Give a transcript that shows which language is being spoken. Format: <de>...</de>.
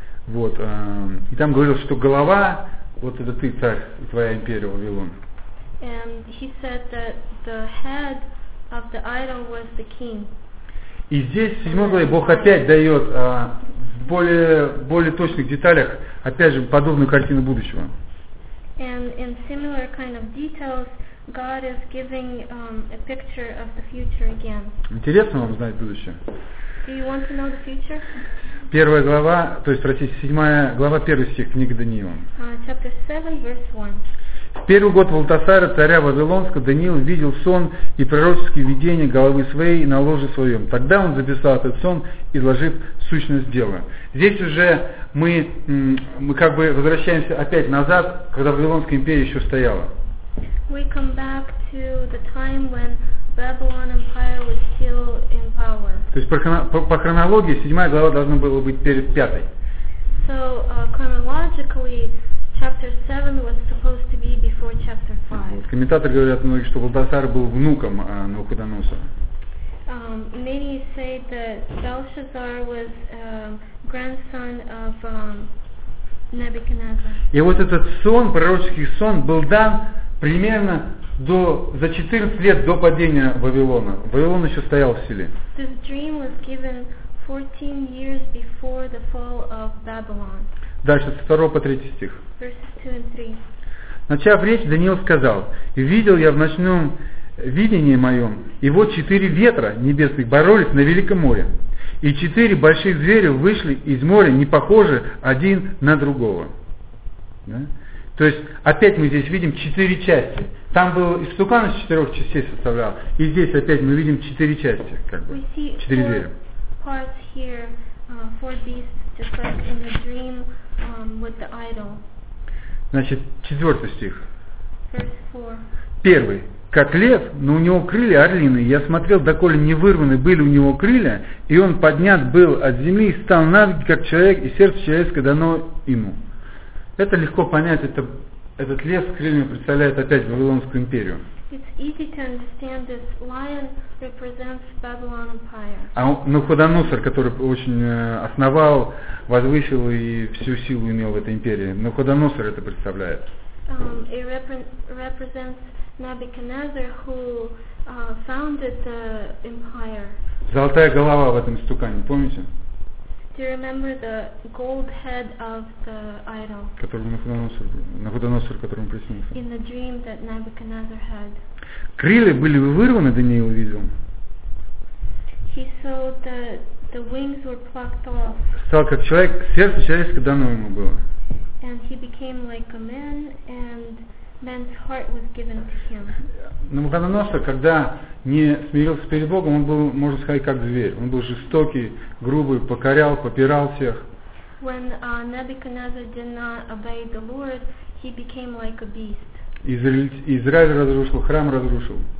<ru>Вот, и там говорил, что голова, вот это ты, царь, твоя империя, Вавилон.</ru> <en>And he said that the head of the idol was the king.</en> <ru>И здесь, седьмой главе, Бог опять дает в более точных деталях, опять же, подобную картину будущего.</ru> <en>And in similar kind of details, God is giving a picture of the future again.</en> <ru>Интересно вам знать будущее?</ru> <en>Do you want to know the future?</en> <ru>Первая глава, то есть, простите, седьмая глава, первый стих книги Даниила.</ru> <en>Chapter 7, verse 1.</en> <ru>В первый год Валтасара, царя Вавилонского, Даниил видел сон и пророческие видения головы своей на ложе своем. Тогда он записал этот сон, изложив сущность дела. Здесь уже мы как бы возвращаемся опять назад, когда Вавилонская империя еще стояла.</ru> <en>We come back to the time when Babylon Empire was still in power.</en> <ru>То есть по хронологии седьмая глава должна была быть перед пятой.</ru> <en>So chronologically, chapter 7 was supposed to be before chapter 5.</en> <ru>Комментаторы говорят многие, что Валтасар был внуком Навуходоносора.</ru> <en>Many say that Belshazzar was grandson of Nebuchadnezzar.</en> <ru>И вот этот сон, пророческий сон, был дан примерно за 14 лет до падения Вавилона. Вавилон еще стоял в силе.</ru> <en>This dream was given 14 years before the fall of Babylon.</en> <ru>Дальше, со 2 по 3 стих.</ru> <en>Verses 2 and 3.</en> <ru>Начав речь, Даниил сказал: «Видел я в ночном видении моем, и вот четыре ветра небесных боролись на великом море, и четыре больших зверя вышли из моря, не похожи один на другого». Да? То есть опять мы здесь видим четыре части. Там был истукан из четырех частей составлял, и здесь опять мы видим четыре части, как бы, четыре зверя.</ru> <en>Parts here, four beasts, just like in the dream, with the idol.</en> <ru>Значит, четвертый стих.</ru> <en>Verse 4.</en> <ru>Первый. Как лев, но у него крылья орлиные. Я смотрел, доколе не вырваны были у него крылья, и он поднят был от земли и стал на ноги, как человек, и сердце человеческое дано ему. Это легко понять, этот лев с крыльями представляет опять Вавилонскую империю.</ru> <en>It's easy to understand this lion represents Babylon Empire.</en> <ru>А Навуходоносор, который очень основал, возвысил и всю силу имел в этой империи, Навуходоносор это представляет.</ru> <en>It represents Nebuchadnezzar, who founded the empire.</en> <ru>Золотая голова в этом стукане, помните?</ru> <en>Do you remember the gold head of the idol?</en> <ru>Навуходоносор, которому приснился.</ru> <en>In the dream that Nebuchadnezzar had.</en> <ru>Крылья были вырваны, Даниил увидел.</ru> <en>He saw the wings were plucked off.</en> <ru>Стал как человек, сердце человеческое дано ему было.</ru> <en>And he became like a man, and man's heart was given to him.</en> <ru>Навуходоносор, когда не смирился перед Богом, он был, можно сказать, как зверь. Он был жестокий, грубый, покорял, попирал всех.</ru> <en>When Nebuchadnezzar did not obey the Lord, he became like a beast.</en> <ru>Израиль разрушил, храм разрушил.</ru>